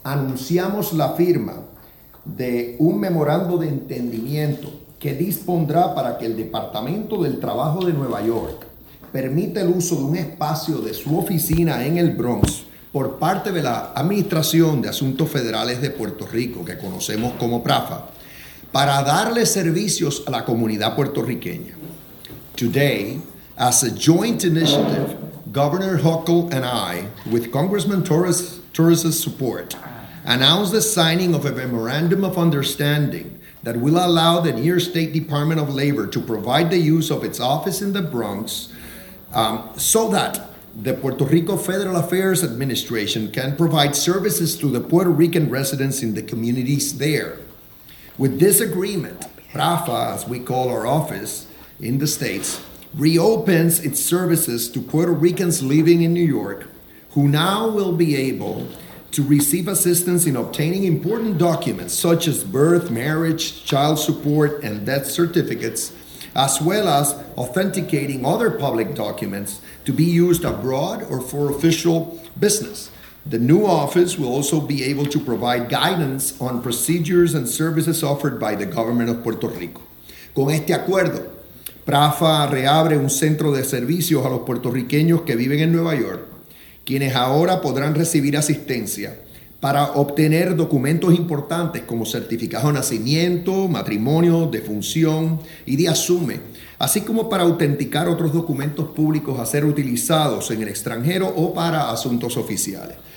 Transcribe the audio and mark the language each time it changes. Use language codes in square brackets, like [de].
[es] anunciamos la firma de un memorando de entendimiento que dispondrá para que el Departamento del Trabajo de Nueva York permita el uso de un espacio de su oficina en el Bronx por parte de la Administración de Asuntos Federales de Puerto Rico, que conocemos como PRAFA, para darle servicios a la comunidad puertorriqueña. [en] Today, as a joint initiative, Governor Hochul and I, with Congressman Torres's support, announced the signing of a memorandum of understanding that will allow the New York State Department of Labor to provide the use of its office in the Bronx so that the Puerto Rico Federal Affairs Administration can provide services to the Puerto Rican residents in the communities there. With this agreement, PRAFA, as we call our office in the States, reopens its services to Puerto Ricans living in New York, who now will be able to receive assistance in obtaining important documents such as birth, marriage, child support, and death certificates, as well as authenticating other public documents to be used abroad or for official business. The new office will also be able to provide guidance on procedures and services offered by the government of Puerto Rico. [es] Con este acuerdo, PRAFA reabre un centro de servicios a los puertorriqueños que viven en Nueva York, quienes ahora podrán recibir asistencia para obtener documentos importantes como certificado de nacimiento, matrimonio, defunción y de asume, así como para autenticar otros documentos públicos a ser utilizados en el extranjero o para asuntos oficiales.